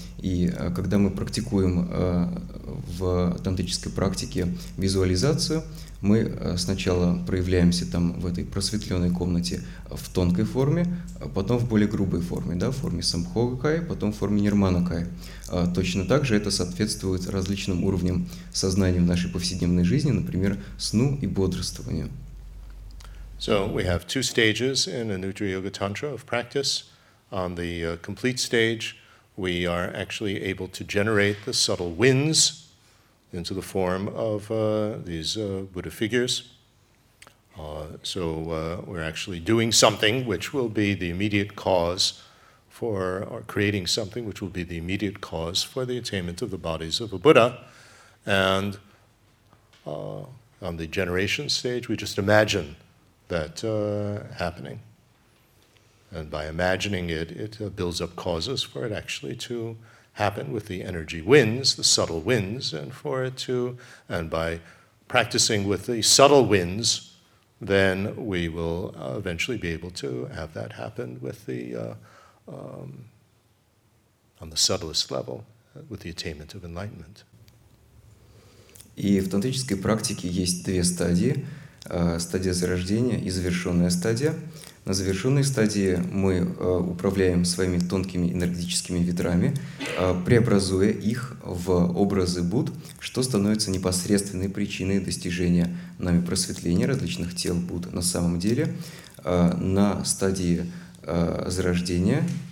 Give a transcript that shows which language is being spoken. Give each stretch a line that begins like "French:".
Russian: И когда мы практикуем в тантрической практике визуализацию, мы сначала проявляемся там в этой просветленной комнате в тонкой форме, потом в более грубой форме, да, в форме самбхогакая, потом в форме нирманакая. Точно так же это соответствует различным уровням сознания в нашей повседневной жизни, например, сну и бодрствованию.
English: So we have two stages in a Nutri Yoga Tantra of practice. On the complete stage, we are actually able to generate the subtle winds into the form of these Buddha figures. So we're actually doing something which will be the immediate cause for, or creating something which will be the immediate cause for the attainment of the bodies of a Buddha. And on the generation stage, we just imagine that happening. And by imagining it, it builds up causes for it actually to happen with the energy winds, the subtle winds, and for it to, and by practicing with the subtle winds, then we will eventually be able to have that happen with the, on the subtlest level, with the attainment of enlightenment.
Russian: И в тантрической практике есть две стадии: стадия зарождения и завершенная стадия. На завершенной стадии мы управляем своими тонкими энергетическими ветрами, преобразуя их в образы Будд, что становится непосредственной причиной достижения нами просветления различных тел Будд на самом деле. На стадии зарождения